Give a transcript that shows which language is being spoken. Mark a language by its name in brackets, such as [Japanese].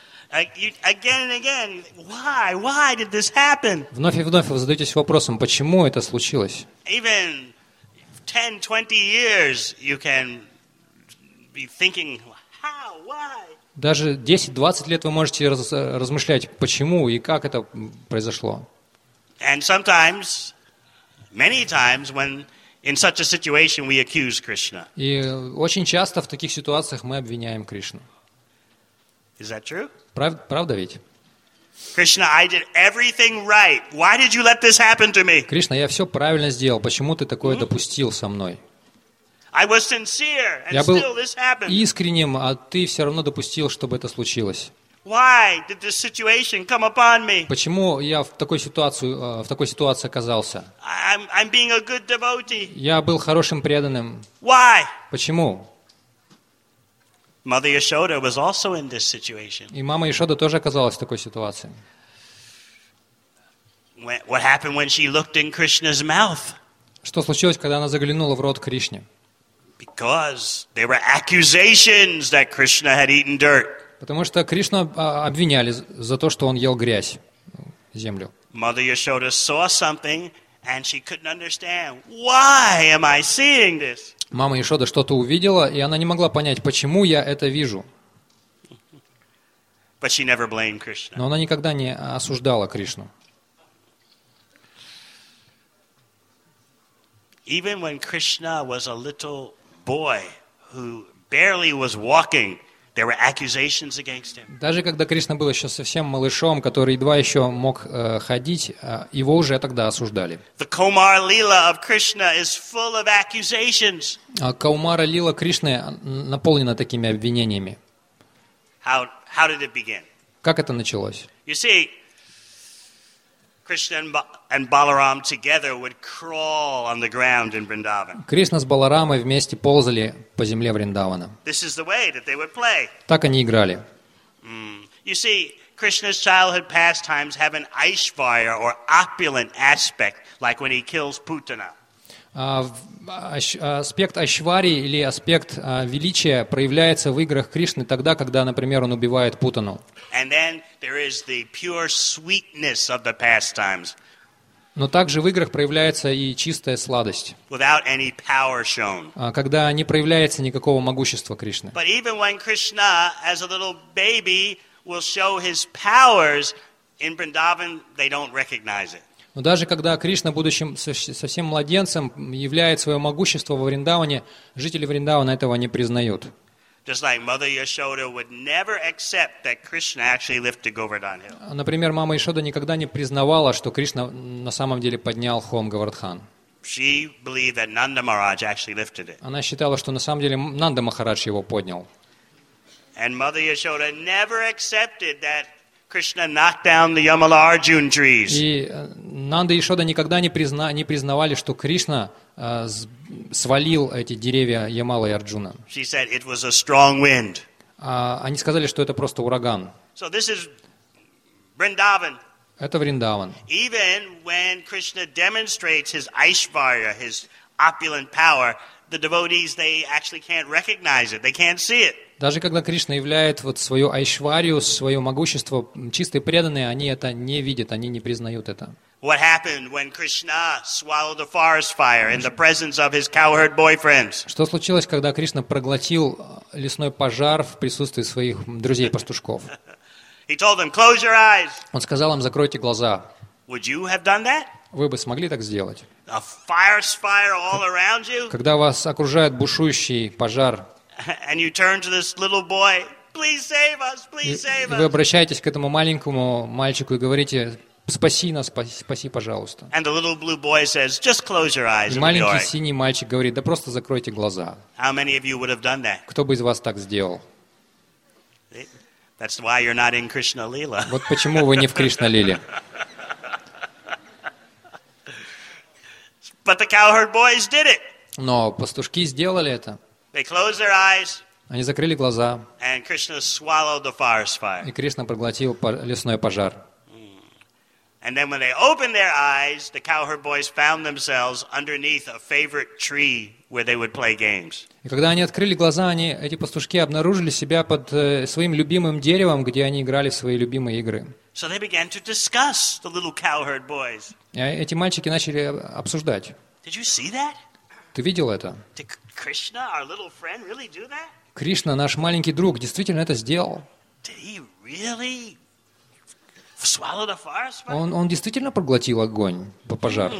[English] Again and again, why did this happen? [Russian] Вновь и вновь вы задаетесь вопросом, почему это случилось? [English] Even 10-20 years you can be thinking, how, why? [Russian] Даже 10-20 лет вы можете размышлять, почему и как это произошло. [English] And sometimes, many times, when in such a situation we accuse Krishna. [Russian] И очень часто в таких ситуациях мы обвиняем Кришну. [English] Is that true? [Russian] Правда ведь? [English] Krishna, I did everything right. Why did you let this happen to me? [Russian] Кришна, я все правильно сделал. Почему ты такое допустил со мной? [English] I was sincere, and still this happened. [Russian] Я был искренним, а ты все равно допустил, чтобы это случилось. [English] Why did this situation come upon me? [Russian] Почему я в такой ситуации оказался? [English] I'm being a good devotee. [Russian] Я был хорошим преданным. [English] Why? [Russian] Почему? [English] Mother Yashoda was also in this situation. [Russian] И мама Яшода тоже оказалась в такой ситуации. [English] What happened when she looked in Krishna's mouth? [Russian] Что случилось, когда она заглянула в рот Кришне? [English] Because there were accusations that Krishna had eaten dirt. [Russian] Потому что Кришну обвиняли за то, что он ел грязь, землю. [English] Mother Yashoda saw something and she couldn't understand. Why am I seeing this? [Russian] Мама Яшода что-то увидела, и она не могла понять, почему я это вижу. [English] But she never blamed Krishna. [Russian] Но она никогда не осуждала Кришну. [English] Even when Krishna was a little boy who barely was walking, there were accusations against him. [Russian] Даже когда Кришна был еще совсем малышом, который едва еще мог ходить, его уже тогда осуждали. [English] The Kaumara Lila of Krishna is full of accusations. [Russian] Каумара Лила Кришны наполнена такими обвинениями. [English] How did it begin? [Russian] Как это началось? [English] You see, Krishna and Balaram together would crawl on the ground in Vrindavan. [Russian] Кришна с Баларамой вместе ползали по земле Вриндавана. [English] This is the way that they would play. [Russian] Так они играли. [English] You see, Krishna's childhood pastimes have an Aishvarya or opulent aspect, like when he kills Putana. [Russian] Аспект Айшварьи или аспект величия проявляется в играх Кришны тогда, когда, например, он убивает Путану. [English] And then there is the pure sweetness of the pastimes. [Russian] Но также в играх проявляется и чистая сладость. [English] Without any power shown. [Russian] Когда не проявляется никакого могущества Кришны. [English] But even when Krishna, as a little baby, will show his powers in Vrindavan, they don't recognize it. [Russian] Но даже когда Кришна, будучи совсем младенцем, являет свое могущество во Вриндаване, жители Вриндавана этого не признают. [English] Just like Mother Yashoda would never accept that Krishna actually lifted Govardhan Hill. [Russian] Например, мама Яшода никогда не признавала, что Кришна на самом деле поднял холм Говардхан. [English] She believed that Nanda Maharaj actually lifted it. [Russian] Она считала, что на самом деле Нанда Махарадж его поднял. [English] And Mother Yashoda never accepted that Krishna knocked down the Yamalarjun trees. [Russian] И Нанда Яшода никогда не признавали, что Кришна свалил эти деревья Ямала и Арджуна. [English] She said it was a strong wind. [Russian] Они сказали, что это просто ураган. [English] So this is Vrindavan. [Russian] Это Вриндаван. [English] Even when Krishna demonstrates his Aishvarya, his opulent power, the devotees, they actually can't recognize it. They can't see it. [Russian] Даже когда Кришна являет вот свою айшварию, свое могущество, чистые преданные, они это не видят, они не признают это. [English] What happened when Krishna swallowed the forest fire in the presence of his cowherd boyfriends? [Russian] Что случилось, когда Кришна проглотил лесной пожар в присутствии своих друзей-пастушков? [English] He told them, "Close your eyes." [Russian] Он сказал им: "Закройте глаза." [English] Would you have done that? [Russian] Вы бы смогли так сделать? [English] A forest fire all around you? [Russian] Когда вас окружает бушующий пожар? [English] And you turn to this little boy, "Please save us! Please save us!" [Russian] Вы обращаетесь к этому маленькому мальчику и говорите: "Спаси нас, спаси, пожалуйста." [English] And the little blue boy says, "Just close your eyes." [Russian] И маленький синий мальчик говорит: "Да просто закройте глаза." [English] How many of you would have done that? [Russian] Кто бы из вас так сделал? [English] That's why you're not in Krishna Lila. [Russian] Вот почему вы не в Кришна Лиле. [English] But the cowherd boys did it. [Russian] Но пастушки сделали это. [English] They closed their eyes. [Russian] Они закрыли глаза. [English] And Krishna swallowed the forest fire. [Russian] И Кришна проглотил лесной пожар. [English] And then when they opened their eyes, the cowherd boys found themselves underneath a favorite tree where they would play games. [Russian] И когда они открыли глаза, они, эти пастушки, обнаружили себя под своим любимым деревом, где они играли в свои любимые игры. [English] So they began to discuss, the little cowherd boys. [Russian] И эти мальчики начали обсуждать. [English] Did you see that? [Russian] Ты видел это? [English] Did Krishna, our little friend, really do that? [Russian] Кришна, наш маленький друг, действительно это сделал? [English] Did he really swallow the forest fire? [Russian] Он действительно проглотил огонь, пожар.